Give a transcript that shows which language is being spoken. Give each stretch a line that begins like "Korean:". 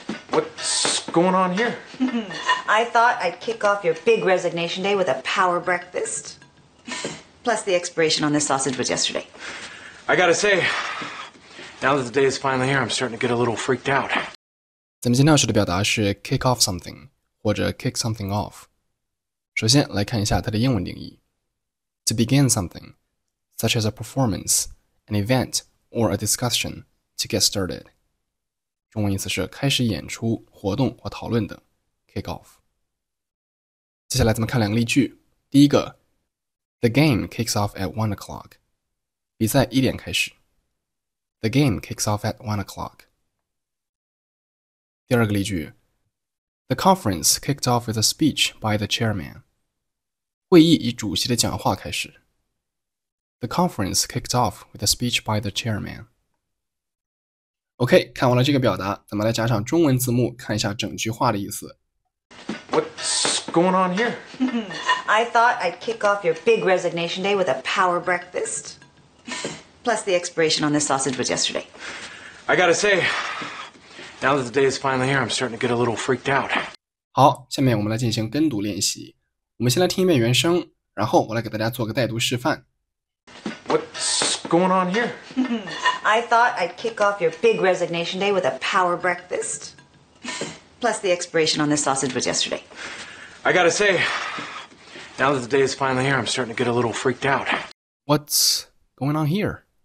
English: What's going on here? I thought I'd kick off your big resignation day with a power breakfast. Plus, the expiration on this sausage was yesterday. I gotta say, now that the day is finally here, I'm starting to get a little freaked out.
Chinese: 咱们今天要学的表达是 kick off something, 或者 kick something off. 首先来看一下它的英文定义。
English: To begin something, such as a performance, an event, or a discussion, to get started.
Chinese: 中文意思是开始演出、活动或讨论的 kick off. 接下来咱们看两个例句。第一个
English: The game kicks off at 1 o'clock.
Chinese: 比赛一点开始。
English: The game kicks off at 1 o'clock.
Chinese: 第二个例句
English: The conference kicked off with a speech by the chairman.
Chinese: 会议以主席的讲话开始。
English: The conference kicked off with a speech by the chairman.
Chinese: OK, 看完了这个表达，咱们来加上中文字幕，看一下整句话的意思。
English: What's going on here? I thought I'd kick off your big resignation day with a power breakfast. Plus, the expiration on this sausage was yesterday. I gotta say, now that the day is finally here, I'm starting to get a little freaked out.
Chinese: 好，下面我们来进行跟读练习。我们先来听一遍原声，然后我来给大家做个带读示范。
English: What's going on here? I thought I'd kick off your big resignation day with a power breakfast. Plus, the expiration on this sausage was yesterday. I gotta say, now that the day is finally here, I'm starting to get a little freaked out. What's going on here?